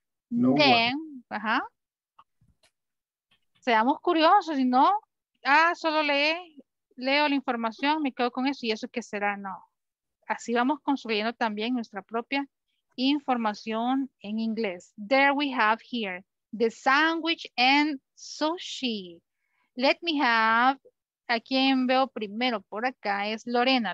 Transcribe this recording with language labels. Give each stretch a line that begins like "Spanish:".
English: No. Then, ajá.
Spanish: Seamos curiosos, si no, solo leo la información, me quedo con eso y eso qué será, no. Así vamos construyendo también nuestra propia información en inglés.
English: There we have here the sandwich and sushi. Let me have,
Spanish: a quien veo primero por acá es Lorena.